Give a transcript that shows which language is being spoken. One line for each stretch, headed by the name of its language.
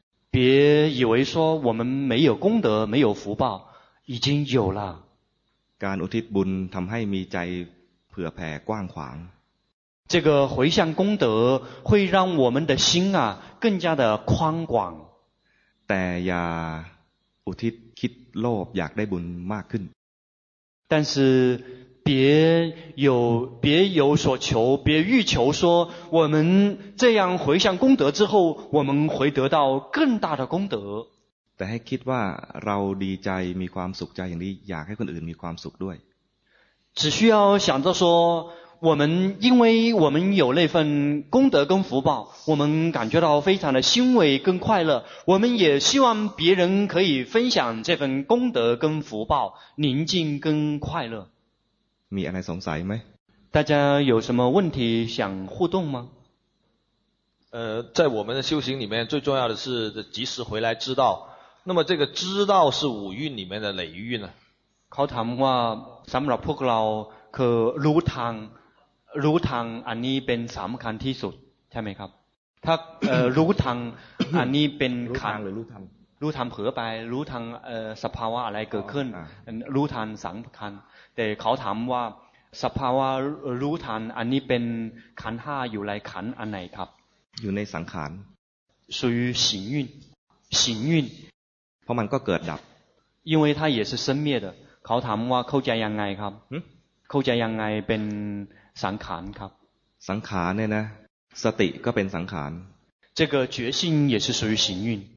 Chinese: 别以为说我们没有功德，没有福报，已经有了。这个回向功德会让我们的心啊更加的宽广。
Thai: แต่อย่าอุทิศคิดโลภอยากได้บุญมากขึ้น。
Chinese: 但是别有所求，别欲求说我们这样回向功德之后，我们会得到更大的功德。
Thai: แต่ให้คิดว่าเราดีใจมีความสุขใจอย่างนี้อยากให้คนอื่นมีความสุขด้วย。
Chinese: 只需要想着说，我们因为我们有那份功德跟福报，我们感觉到非常的欣慰跟快乐，我们也希望别人可以分享这份功德跟福报，宁静跟快乐。
Thai: มีอะไรสงสัยไหม
Chinese: 大家有什么问题想互动吗在我们的修行里面最重要的是及时回来知道那么这个知道是五蕴里面的哪一蕴呢考堂话
Thai: สำหรับพวกเราคือรู้ทางอันนี้เป็นสำคัญที่สุดใช่ไหมครับถ้ารู้ทางอันนี้เป็น รู้ทางหรือรู้ทาง เผื่อไปรู้ทางสภาวะอะไรเกิดขึ้นรู้ทางสำคัญแต่เขาถามว่าสภาวะรู้ทันอันนี้เป็นขันห้าอยู่ในขันอันไหนครับ อยู่ในสังขาร
Chinese: 属于行运行运
Thai: เพราะมันก็เกิดดับ
Chinese: 因为它也是生灭的
Thai: เขาถามว่าเข้าใจยังไงครับเข้าใจยังไงเป็นสังขารครับ สังขารเนี่ยนะสติก็เป็นสังขาร
Chinese: 这个觉性也是属于行运